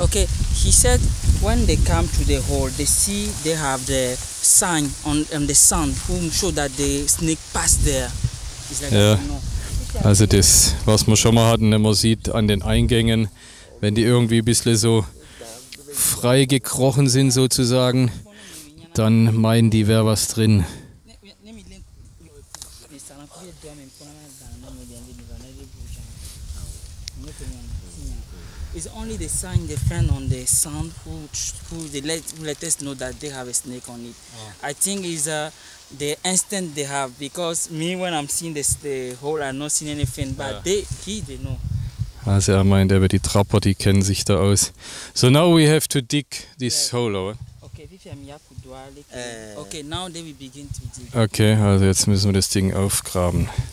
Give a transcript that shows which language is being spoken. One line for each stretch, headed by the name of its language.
English: Okay, he said when they come to the hole, they see they have the sign on the sand, who show that the snake passed there.
German: Ja, also das, was wir schon mal hatten, wenn man sieht an den Eingängen, wenn die irgendwie ein bisschen so frei gekrochen sind sozusagen, dann meinen die, wäre was drin.
English: Okay. It's only the sign, the fan on the sound who let us know that they have a snake on it. Oh. I think it's the instinct they have, because me, when I'm seeing the hole, I'm not seeing anything, but yeah. they know.
German: Also er meint, aber die Trapper, die kennen sich da aus.
English: So now we have to dig this hole, oder? Okay, now they will begin to dig.
German: Okay, also jetzt müssen wir das Ding aufgraben.